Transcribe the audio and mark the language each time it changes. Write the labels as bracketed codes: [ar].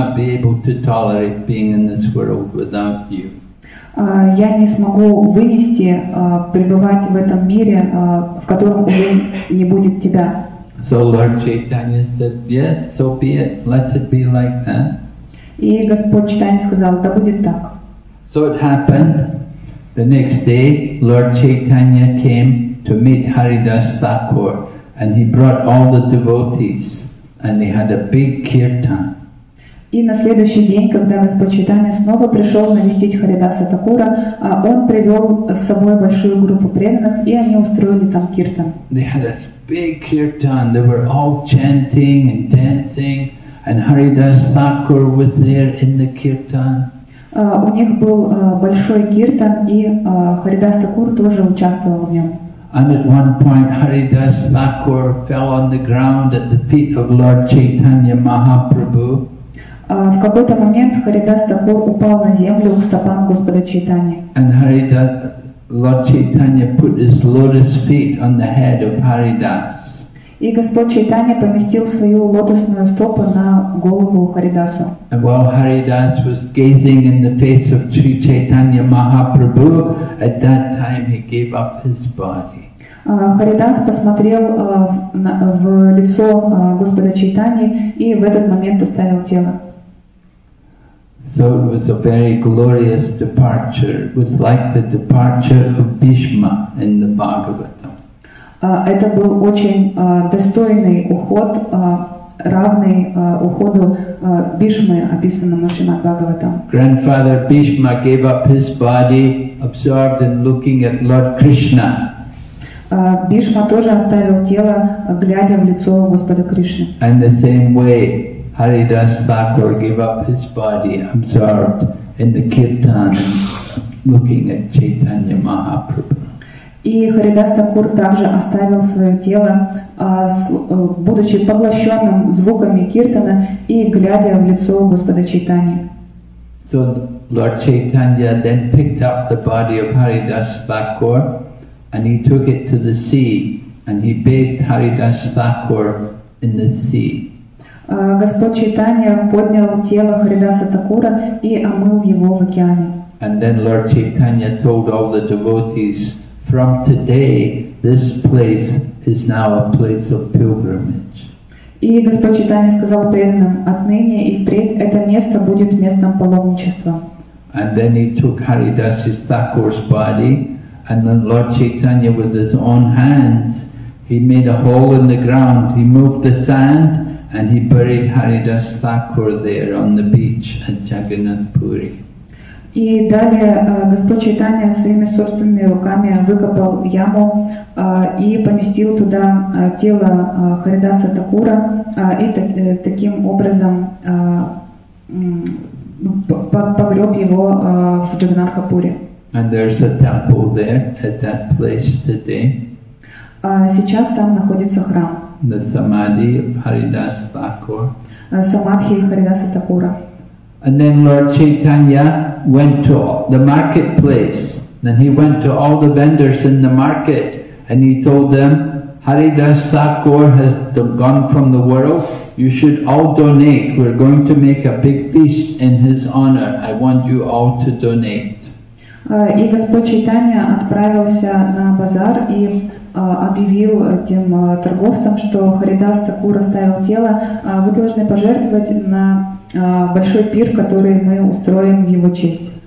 [en] I would not be able to tolerate being in this world without you. [ru] Я не смогу вынести пребывать в этом мире, в котором уже не будет тебя. [en] So Lord Chaitanya said, yes, so be it, let it be like that. [ru] И Господь Чайтанья сказал, да будет так. [en] So it happened, the next day Lord Chaitanya came to meet Haridas Thakur and he brought all the devotees and they had a big kirtan. [ru] И на следующий день, когда Господь Чайтанья снова пришел навестить Харидаса Такура, он привел с собой большую группу преданных и они устроили там киртан. [en] Big kirtan, they were all chanting and dancing, and Haridas Thakur was there in the kirtan. [ru] У них был большой киртан, и Харидас Такур тоже участвовал в нем. [en] And at one point, Haridas Thakur fell on the ground at the feet of Lord Chaitanya Mahaprabhu. [ru] В какой-то момент Харидас Такур упал на землю к стопам Господа Чайтаньи. [en] Lord Chaitanya put his lotus feet on the head of Haridas. [ru] И Господь Чайтанья поместил свою лотосную стопу на голову Харидасу. [en] And while Haridas was gazing in the face of Sri Chaitanya Mahaprabhu, at that time he gave up his body. [ru] Харидас посмотрел в лицо Господа Чайтаньи и в этот момент оставил тело. [en] So it was a very glorious departure. It was like the departure of Bhishma in the Bhagavatam. [ru] Это был очень достойный уход, равный уходу Бхишмы, описанному в Бхагаватам. [en] Grandfather Bhishma gave up his body, absorbed in looking at Lord Krishna. [ru] Бхишма тоже оставил тело, глядя в лицо Господа Кришны. [en] And the same way, Haridas Thakur gave up his body, absorbed in the kirtan, looking at Chaitanya Mahaprabhu. [ru] И Харидас Такур также оставил свое тело, будучи поглощенным звуками киртана и глядя в лицо Господа Чайтани. [en] So Lord Chaitanya then picked up the body of Haridas Thakur and he took it to the sea and he bathed Haridas Thakur in the sea. [ru] Господь Чайтанья поднял тело Харидаса Такура и омыл его в океане. [en] And then Lord Chaitanya told all the devotees, from today this place is now a place of pilgrimage. [ru] И Господь Чайтанья сказал преданным, отныне и впредь это место будет местом паломничества. [en] And then he took Haridas Thakur's body, and then Lord Chaitanya with his own hands, he made a hole in the ground, he moved the sand, and he buried Haridas Thakur there on the beach at Jagannath Puri. [ru] И далее Господь Чайтанья своими собственными руками выкопал яму и поместил туда тело Харидаса Такура и таким образом погреб его в Джагнатхапуре. [en] And there's a temple there at that place today. [ru] Сейчас там находится храм. [en] The Samadhi of Haridas Thakur. [ru] Самадхи Харидаса Такура. [en] And then Lord Chaitanya went to the marketplace. Then he went to all the vendors in the market and he told them, Haridas Thakur has gone from the world. You should all donate. We're going to make a big feast in his honor. I want you all to donate. [ru] И Господь Чайтанья отправился на базар и объявил тем торговцам, что Харидас Такур оставил тело. Вы должны пожертвовать на большой пир, который мы устроим в его честь.